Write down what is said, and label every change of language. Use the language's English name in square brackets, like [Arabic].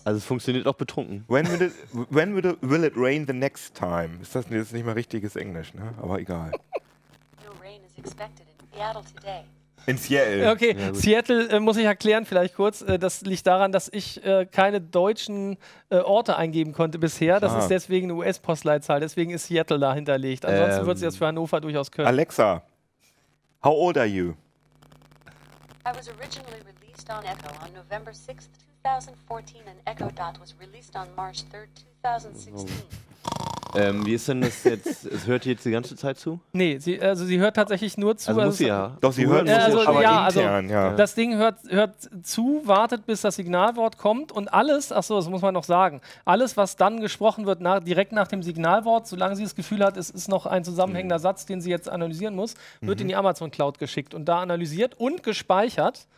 [German] Also es funktioniert auch betrunken. [English] When will it rain the next time? [German] Ist das jetzt nicht mal richtiges Englisch, ne? Aber egal. [English] No rain is expected in Seattle today. [German] In Seattle. Okay, ja, Seattle muss ich erklären vielleicht kurz. Das liegt daran, dass ich keine deutschen Orte eingeben konnte bisher. Das ist deswegen eine US-Postleitzahl. Deswegen ist Seattle da hinterlegt. Ansonsten wird sie das für Hannover durchaus können. [English] Alexa, how old are you? I was originally released on Echo on November 6th, 2014 and Echo Dot was released on March 3rd, 2016. [German] wie ist denn das jetzt? Es hört jetzt die ganze Zeit zu? Nee, sie hört tatsächlich nur zu. Also muss sie ja. Doch, sie hört also, ja, aber intern, also, ja. Das Ding hört zu, wartet, bis das Signalwort kommt und alles, achso, das muss man noch sagen, alles, was dann gesprochen wird, direkt nach dem Signalwort, solange sie das Gefühl hat, es ist noch ein zusammenhängender Satz, den sie jetzt analysieren muss, wird in die Amazon Cloud geschickt und da analysiert und gespeichert.